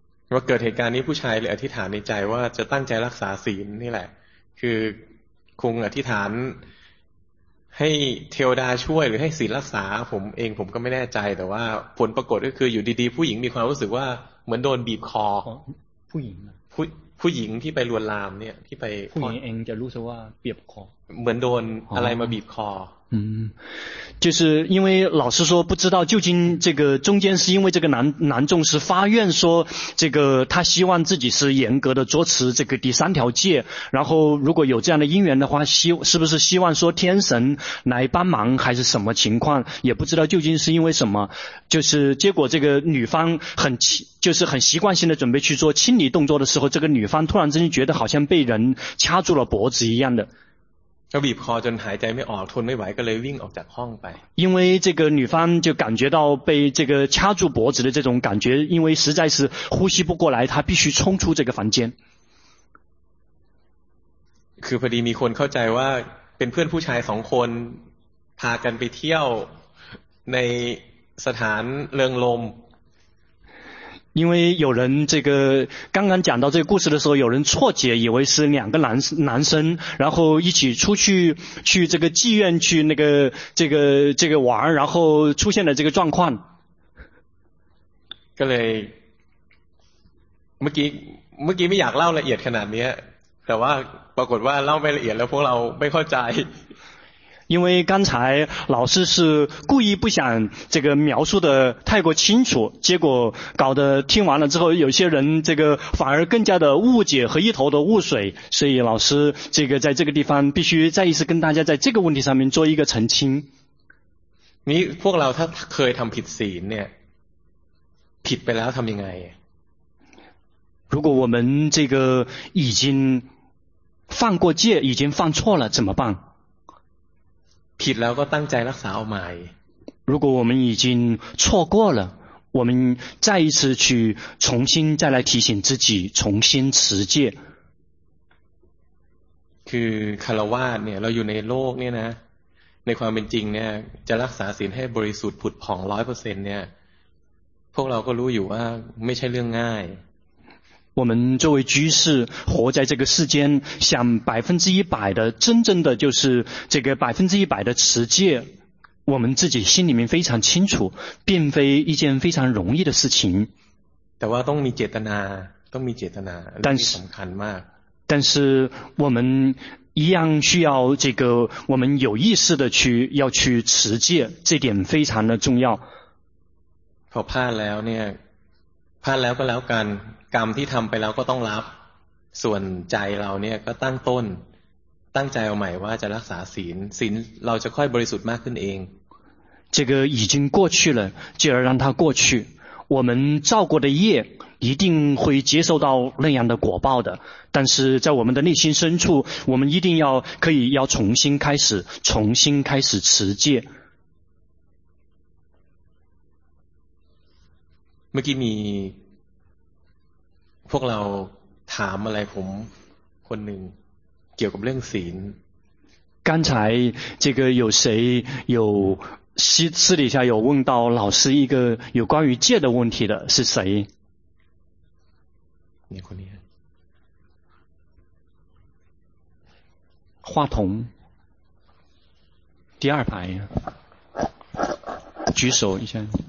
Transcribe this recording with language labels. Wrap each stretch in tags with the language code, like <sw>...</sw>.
<th>ว่าเกิดเหตุการณ์นี้ผู้ชายเลยอธิษฐานในใจว่าจะตั้งใจรักษาศีลนี่แหละคือคงอธิษฐานให้เทวดาช่วยหรือให้ศีลรักษาผมเองผมก็ไม่แน่ใจแต่ว่าผลปรากฏก็คืออยู่ดีๆผู้หญิงมีความรู้สึกว่าเหมือนโดนบีบคอ ผู้หญิง ผู้หญิงที่ไปลวนลามเนี่ยที่ไป ผู้หญิงเองจะรู้สึกว่าเปียกคอ เหมือนโดนอะไรมาบีบคอ</th> <zh>嗯，就是因为老师说不知道究竟这个中间是因为这个男众是发愿说这个他希望自己是严格的着持这个第三条戒，然后如果有这样的因缘的话，是不是希望说天神来帮忙还是什么情况，也不知道究竟是因为什么，就是结果这个女方很习惯性的准备去做清理动作的时候，这个女方突然之间觉得好像被人掐住了脖子一样的。就</zh> <th>บีบคอจนหายใจไม่ออกทนไม่ไหวก็เลยวิ่งออกจากห้องไป</th> <zh>因为这个女方就感觉到被这个掐住脖子的这种感觉因为实在是呼吸不过来她必须冲出这个房间</zh> <th>คือพอดีมีคนเข้าใจว่าเป็นเพื่อนผู้ชายสองคนพากันไปเที่ยวในสถานเรืองลม</th> <zh>因为有人这个刚刚讲到这个故事的时候，有人错解，以为是两个男生，然后一起出去这个妓院去那个这个玩，然后出现了这个状况。</zh> <th>ก็เลยเมื่อกี้ไม่อยากเล่าละเอียดขนาดนี้แต่ว่าปรากฏว่าเล่าไปละเอียดแล้วพวกเราไม่เข้าใจ</th> <zh>因为刚才老师是故意不想这个描述的太过清楚，结果搞得听完了之后，有些人这个反而更加的误解和一头的雾水，所以老师这个在这个地方必须再一次跟大家在这个问题上面做一个澄清。你</zh> <th>พวกเราถ้าเคยทำผิดศีลเนี่ย ผิดไปแล้วทำยังไง？</th> <zh>如果我们这个已经犯过戒，已经犯错了，怎么办？</zh> <th>ผิดแล้วก็ตั้งใจรักษาเอาใหม่</th> <zh>如果我们已经错过了我们再一次去重新再来提醒自己重新持戒</zh> <th>คือคฤหัสถ์เนี่ยเราอยู่ในโลกเนี่ยนะในความเป็นจริงเนี่ยจะรักษาศีลให้บริสุทธิ์ผุดผ่อง 100% เนี่ยพวกเราก็รู้อยู่ว่าไม่ใช่เรื่องง่าย</th> <zh>我们作为居士活在这个世间想100%的真正的就是这个100%的持戒我们自己心里面非常清楚并非一件非常容易的事情</zh> <th>แต่ว่าต้องมีเจตนาต้องมีเจตนา แต่ สำคัญมาก</th> <zh>但是我们一样需要这个我们有意识的去要去持戒这点非常的重要</zh> <th>พอพลาดแล้วเนี่ยพลาดแล้วก็แล้วกันกรรมที่ทำไปแล้วก็ต้องรับส่วนใจเราเนี่ยก็ตั้งต้นตั้งใจเอาใหม่ว่าจะรักษาศีลศีลเราจะค่อยบริสุทธิ์มากขึ้นเอง</th> <zh>这个已经过去了就要让它过去我们造过的业一定会接受到那样的果报的但是在我们的内心深处我们一定要可以要重新开始持戒</zh> <th>เมื่อกี้มีพวกเราถามอะไรผมคนหนึ่งเกี่ยวกับเรื่องศีล</th> <zh>刚才这个有谁有私底下有问到老师一个有关于戒的问题的是谁你</zh> <th>คนนี้</th> <zh>话筒第二排举手一下</zh>